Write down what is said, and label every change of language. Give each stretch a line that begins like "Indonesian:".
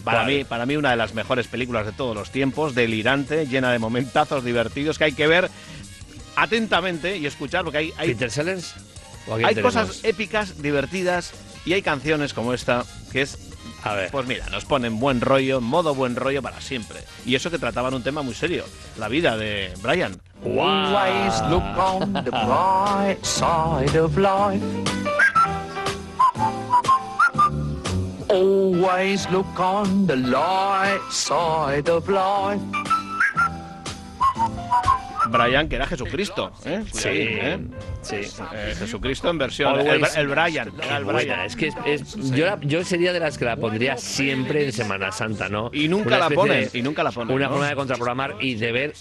Spanish: Para mí una de las mejores películas de todos los tiempos, delirante, llena de momentazos divertidos que hay que ver atentamente y escuchar, porque hay ¿Peter Sellers? Hay cosas épicas, divertidas, y hay canciones como esta que es... A ver. Pues mira, nos ponen buen rollo, modo buen rollo para siempre. Y eso que trataban un tema muy serio, la vida de Brian. Wow.
English: Always look on the bright side of life. Always look on the light side of life.
Spanish: Brian, que era Jesucristo, ¿eh? Sí, ¿eh? Sí. Jesucristo en versión. El Brian. El Brian. Es que es yo sería de las que la pondría siempre en Semana Santa, ¿no? Y nunca la pone. Y nunca la pone. Una ¿no? forma de contraprogramar y de ver.